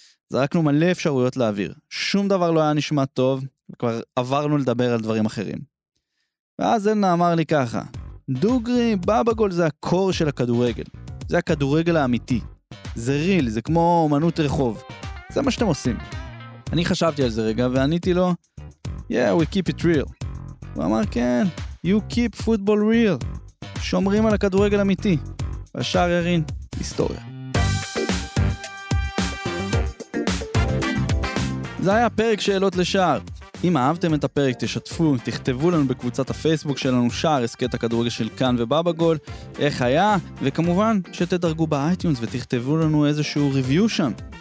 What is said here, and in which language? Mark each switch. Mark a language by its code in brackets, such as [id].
[he] זרקנו מלא אפשרויות לאוויר, שום דבר לא היה נשמע טוב, וכבר עברנו לדבר על דברים אחרים. ואז אלנה אמר לי ככה, דוגרי, בבא גול זה הקור של הכדורגל. זה הכדורגל האמיתי. זה ריל, זה כמו אמנות רחוב. זה מה שאתם עושים. אני חשבתי על זה רגע ועניתי לו, [en] yeah, we keep it real. [he] הוא אמר, כן, [en] you keep football real. [he] שומרים על הכדורגל אמיתי. והשאר ירין, היסטוריה. זה היה פרק שאלות לשער. אם אהבתם את הפרק, תשתפו, תכתבו לנו בקבוצת הפייסבוק שלנו שער, הסקט הכדורגל של כאן ובבא גול, איך היה, וכמובן שתדרגו באייטיונס ותכתבו לנו איזשהו ריוויו שם.